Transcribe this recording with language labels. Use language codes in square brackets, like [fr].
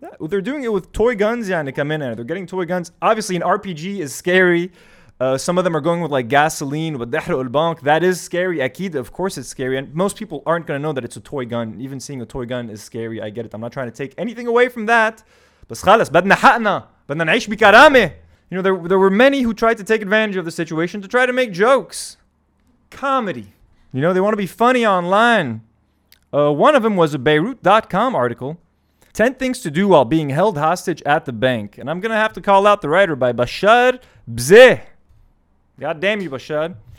[en] Yeah, they're doing it with toy guns [ar] يعني كمان. [en] They're getting toy guns. Obviously, an RPG is scary. Some of them are going with like gasoline [ar] وبدحرق البنك. [en] That is scary. [ar] أكيد, [en] of course it's scary. And most people aren't gonna know that it's a toy gun. Even seeing a toy gun is scary. I get it. I'm not trying to take anything away from that. [ar] بس خلاص بدنا حقنا بدنا نعيش بكرامة. [en] You know, there were many who tried to take advantage of the situation to try to make jokes. Comedy. You know, they want to be funny online. One of them was a Beirut.com article. 10 things to do while being held hostage at the bank. And I'm going to have to call out the writer by Bashar Bzeh. God damn you, Bashar.